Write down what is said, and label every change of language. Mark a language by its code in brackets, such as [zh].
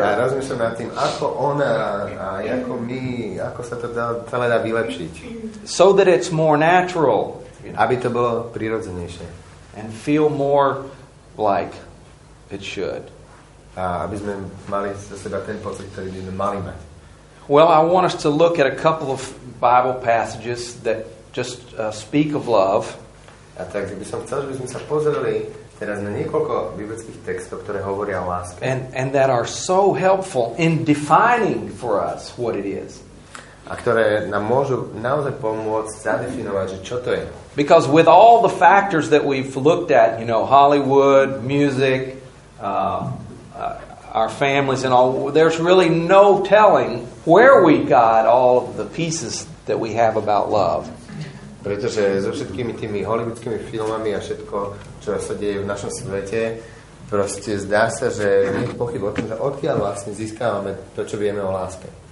[sk] A rozmýšľam nad tým, ako ona a ako my, ako sa to celé dá vylepšiť. [en] So that it's more natural. [sk] You know, aby to bolo prirodzenejšie. [en] And feel more like it should. [sk] A aby sme mali za seba ten pocit, ktorý by sme mali mať. [en] Well, I want us to look at a couple of Bible passages that just speak of love. [sk] A tak by som chcel, že by sme sa pozreli teraz na niekoľko biblických textov, ktoré hovoria o láske. [en] And that are so helpful in defining for us what it is. [sk] A ktoré nám môžu naozaj pomôcť zadefinovať, že čo to je. [en] Because with all the factors that we've looked at, you know, Hollywood, music, our families and all, there's really no telling where we got all of the pieces that we have about love. [sk] Pretože so všetkými tými hollywoodskými filmami a všetko, čo sa deje v našom svete, proste zdá sa, že nie je pochyb o tom, že odkiaľ vlastne získávame to, čo vieme o láske.